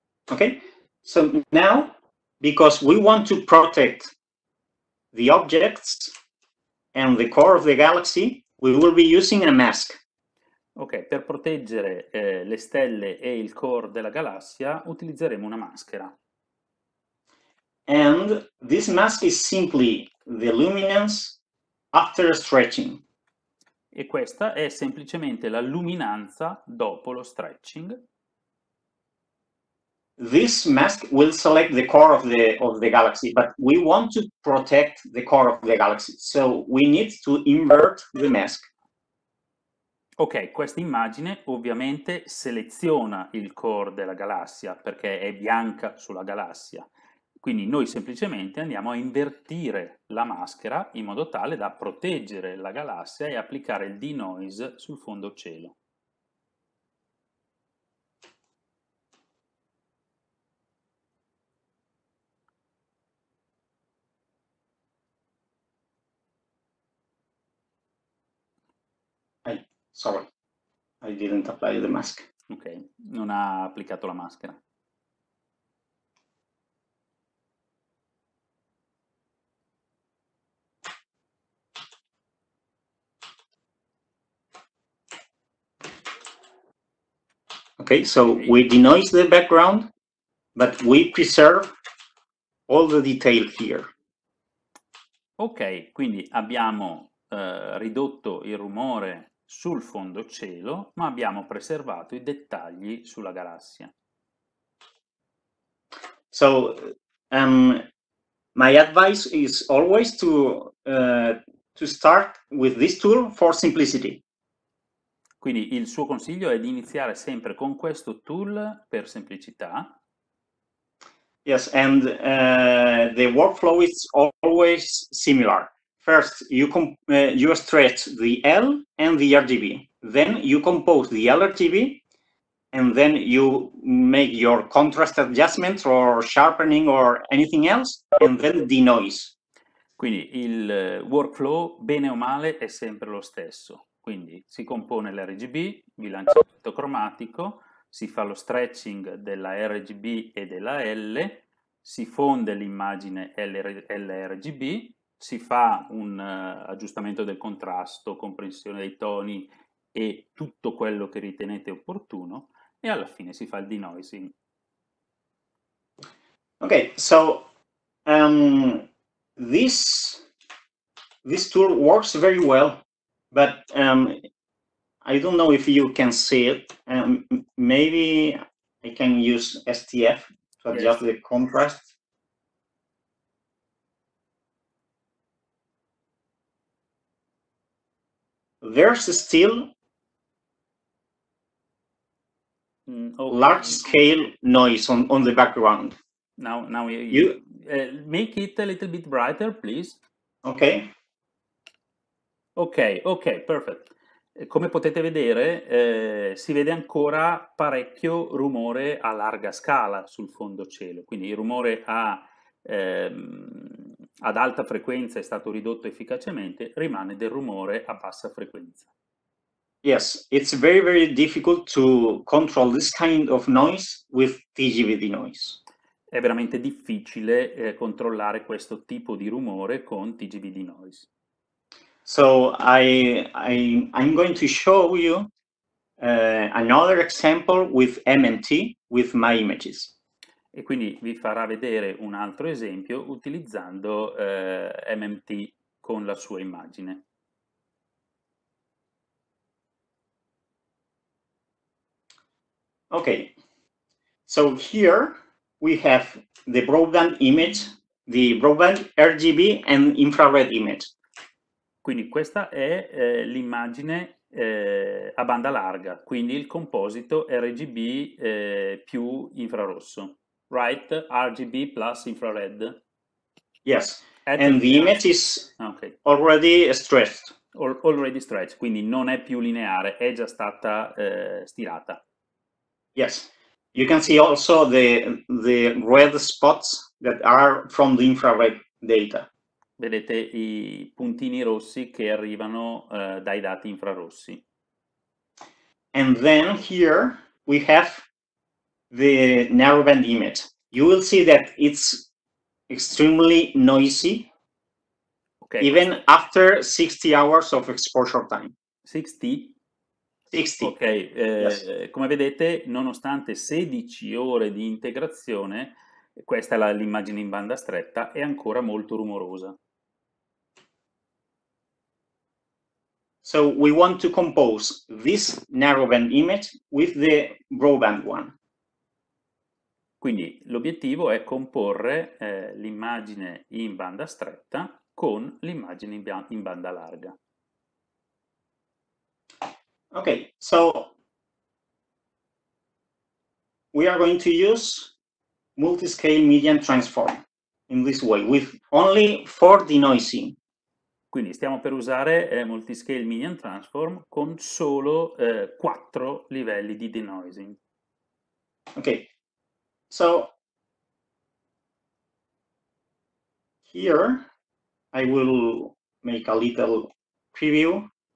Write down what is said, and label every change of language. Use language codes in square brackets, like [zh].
[en] Ok, so now, because we want to protect the objects and the core of the galaxy, we will be using a mask. [it] Ok, per proteggere le stelle e il core della galassia utilizzeremo una maschera. [en] And this mask is simply the luminance after stretching. [it] E questa è semplicemente la luminanza dopo lo stretching. [en] This mask will select the core of the galaxy, but we want to protect the core of the galaxy, so we need to invert the mask. [it] Ok, questa immagine ovviamente seleziona il core della galassia, perché è bianca sulla galassia. Quindi noi semplicemente andiamo a invertire la maschera in modo tale da proteggere la galassia e applicare il denoise sul fondo cielo. [en] Sorry, I didn't apply the mask. [it] Ok, non ha applicato la maschera. [en] Ok, so we denoise the background, but we preserve all the detail here. [it] Ok, quindi abbiamo ridotto il rumore sul fondo cielo, ma abbiamo preservato i dettagli sulla galassia. [en] So, my advice is always to start with this tool for simplicity. [it] Quindi il suo consiglio è di iniziare sempre con questo tool per semplicità. [en] Yes, and the workflow is always similar. First, you stretch the L and the RGB. Then you compose the LRGB, and then you make your contrast adjustment or sharpening or anything else, and then denoise. [it] Quindi il workflow, bene o male, è sempre lo stesso. Quindi si compone l'RGB, bilanciamento cromatico, si fa lo stretching della RGB e della L, si fonde l'immagine LRGB, si fa un aggiustamento del contrasto, comprensione dei toni e tutto quello che ritenete opportuno, e alla fine si fa il denoising. [en] Okay, so this tool works very well, but I don't know if you can see it. Maybe I can use STF to adjust the contrast. There's still large scale noise on the background. Now you make it a little bit brighter, please. Okay. Okay, perfect. [it] Come potete vedere, si vede ancora parecchio rumore a larga scala sul fondo cielo. Quindi il rumore ad alta frequenza è stato ridotto efficacemente, rimane del rumore a bassa frequenza. [en] Yes, it's very, very difficult to control this kind of noise with TGV denoise. [it] È veramente difficile controllare questo tipo di rumore con TGV denoise. [en] So I'm going to show you another example with MNT with my images. [it] E quindi vi farà vedere un altro esempio utilizzando MNT con la sua immagine. [en] Okay. So here we have the broadband image, the broadband RGB and infrared image. [it] Quindi questa è l'immagine a banda larga, quindi il composito RGB più infrarosso, [en] right? RGB plus infrared. Yes, and the image is already stretched. Already stretched, [it] quindi non è più lineare, è già stata stirata. [en] Yes, you can see also the red spots that are from the infrared data. [it] Vedete i puntini rossi che arrivano dai dati infrarossi. [en] And then here we have the narrowband image. You will see that it's extremely noisy, okay, even after 60 hours of exposure time. 60? 60. Ok, yes. [it] Come vedete, nonostante 16 ore di integrazione, questa è l'immagine in banda stretta, è ancora molto rumorosa. [en] So we want to compose this narrowband image with the broadband one. [it] Quindi l'obiettivo è comporre l'immagine in banda stretta con l'immagine in banda larga. [en] Okay, so we are going to use multiscale median transform in this way with only four denoising. [it] Quindi stiamo per usare multiscale median transform con solo quattro livelli di denoising. [en] Ok, so here I will make a little preview.